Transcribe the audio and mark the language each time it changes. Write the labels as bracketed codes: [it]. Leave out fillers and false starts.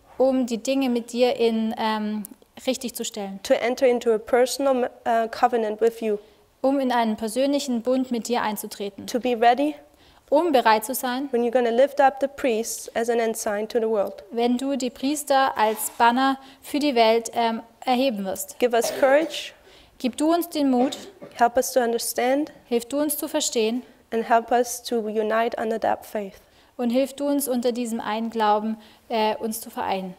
[de] Um die Dinge mit dir in richtig zu stellen. [en] To enter into a personal covenant with you. [de] Um in einen persönlichen Bund mit dir einzutreten. [en] To be ready. [de] Um bereit zu sein. [en] When you're going to lift up the priests as an ensign to the world. [de] Wenn du die Priester als Banner für die Welt erheben wirst. [en] Give us courage. [de] Gib du uns den Mut. [en] Help us to understand. [de] Hilf du uns zu verstehen. [en] And help us to unite under that faith. [de] Und hilf du uns unter diesem einen Glauben, uns zu vereinen.